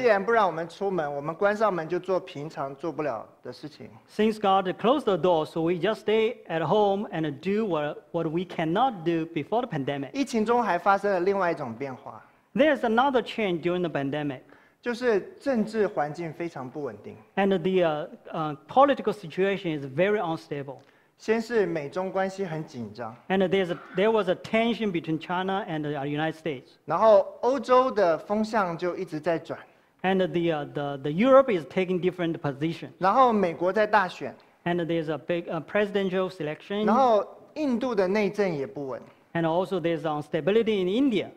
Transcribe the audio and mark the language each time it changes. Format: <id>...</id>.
<zh>神既然不让我们出门，我们关上门就做平常做不了的事情。</zh> <en>Since God closed the door, so we just stay at home and do what we cannot do before the pandemic.</en> <zh>疫情中还发生了另外一种变化。</zh> <en>There's another change during the pandemic.</en> <zh>就是政治环境非常不稳定</zh> <en>，and the political situation is very unstable.</en> <zh>先是美中关系很紧张</zh> <en>，and there was a tension between China and the United States.</en> <zh>然后欧洲的风向就一直在转</zh> <en>，and the Europe is taking different positions.</en> <zh>然后美国在大选</zh> <en>，and there's a big presidential selection.</en> <zh>然后印度的内政也不稳。</zh> <en>And also, there's instability in India.</en>